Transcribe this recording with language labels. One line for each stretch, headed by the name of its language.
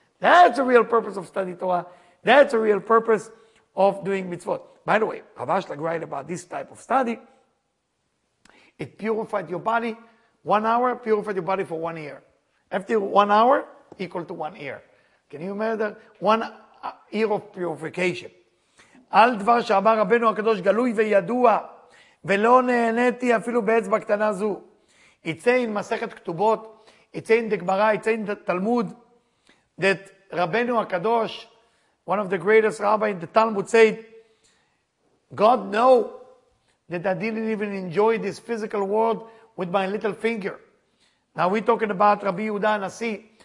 English: That's the real purpose of study Torah. That's the real purpose of doing mitzvot. By the way, Rav Ashlag write about this type of study. It purified your body. 1 hour purified your body for 1 year. After 1 hour, equal to 1 year. Can you imagine? 1 year of purification.
Hebrew: על דבר שאמר רבנו הקדוש גלוי וידוע, ולא נהניתי אפילו באצבע קטנה זו. יצא עם מסכת כתובות, יצא עם דגמרא, יצא עם תלמוד,
English: that רבנו הקדוש, one of the greatest rabbi in the Talmud said, God know that I didn't even enjoy this physical world with my little finger. Now we're talking about Rabbi Yehuda Hanasi.